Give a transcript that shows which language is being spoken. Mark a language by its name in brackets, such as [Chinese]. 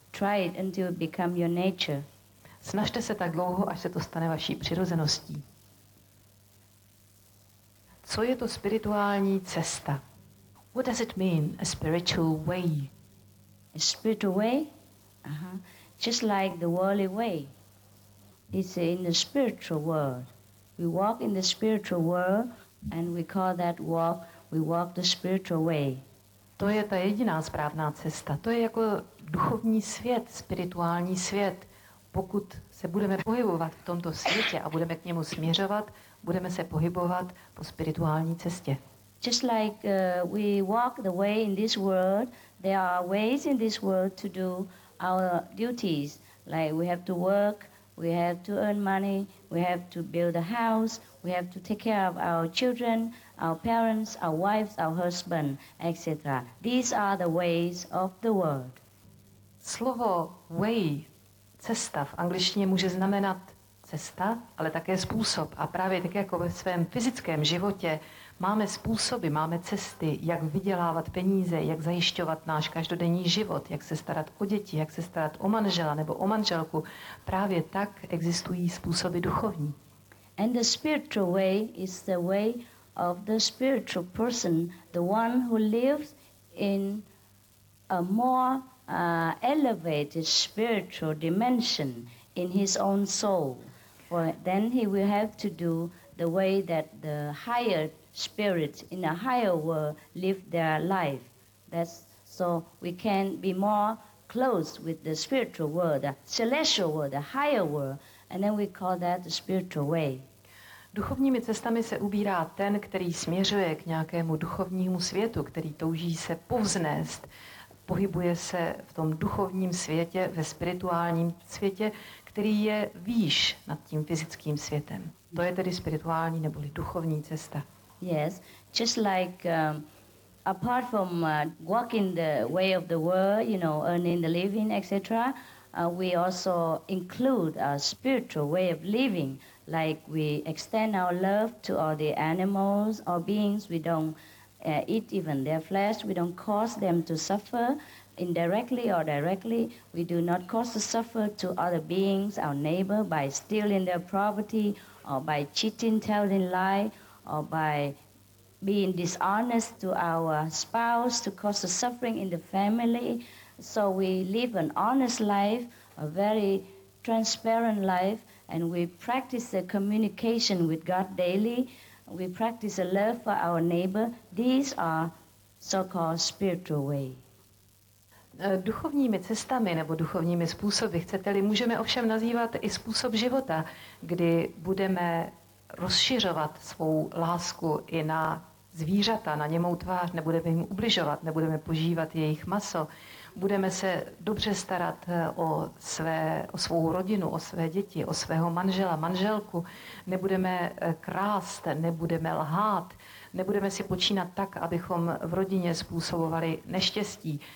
[English] Try it until it become your nature. [Czech] Snažte se tak dlouho, až se to stane vaší přirozeností. Co je to spirituální cesta? [English] What does it mean, a spiritual way? A spiritual way? Just like the worldly way. It's in the spiritual world. We walk in the spiritual world, and we call that walk, we walk the spiritual way. [Czech] To je ta jediná správná cesta. To je jako duchovní svět, spirituální svět. Pokud se budeme pohybovat v tomto světě a budeme k němu směřovat, budeme se pohybovat po spirituální cestě. [English] Just like we walk the way in this world, there are ways in this world to do our duties. Like we have to work, we have to earn money, we have to build a house, we have to take care of our children, our parents, our wives, our husband, etc. These are the ways of the world. [Czech] Slovo way, cesta v angličtině může znamenat cesta, ale také způsob. A právě tak jako ve svém fyzickém životě máme způsoby, máme cesty, jak vydělávat peníze, jak zajišťovat náš každodenní život, jak se starat o děti, jak se starat o manžela nebo o manželku. Právě tak existují způsoby duchovní. [English] And the spiritual way is the way of the spiritual person, the one who lives in a more elevated spiritual dimension in his own soul. For then he will have to do the way that the higher spirits in a higher world live their life. That's so we can be more close with the spiritual world, the celestial world, the higher world, and then we call that the spiritual way. [Czech] Duchovními cestami se ubírá ten, který směřuje k nějakému duchovnímu světu, který touží se povznést. Pohybuje se v tom duchovním světě, ve spirituálním světě, který je výš nad tím fyzickým světem. To je tedy spirituální neboli duchovní cesta. [English] Yes, just like apart from walking the way of the world, you know, earning the living, etc., we also include a spiritual way of living, like we extend our love to all the animals or beings. We don't eat even their flesh. We don't cause them to suffer indirectly or directly. We do not cause the suffer to other beings, our neighbor, by stealing their property or by cheating, telling lie, or by being dishonest to our spouse to cause the suffering in the family. So we live an honest life, a very transparent life, and we practice the communication with God daily. We practice a love for our neighbor. These are so-called spiritual way. [Czech] Duchovními cestami nebo duchovními způsoby, chcete-li, můžeme ovšem nazývat i způsob života, kdy budeme rozšiřovat svou lásku i na zvířata, na němou tvář, nebudeme jim ubližovat, nebudeme požívat jejich maso, budeme se dobře starat o svou rodinu, o své děti, o svého manžela, manželku, nebudeme krást, nebudeme lhát, nebudeme si počínat tak, abychom v rodině způsobovali neštěstí.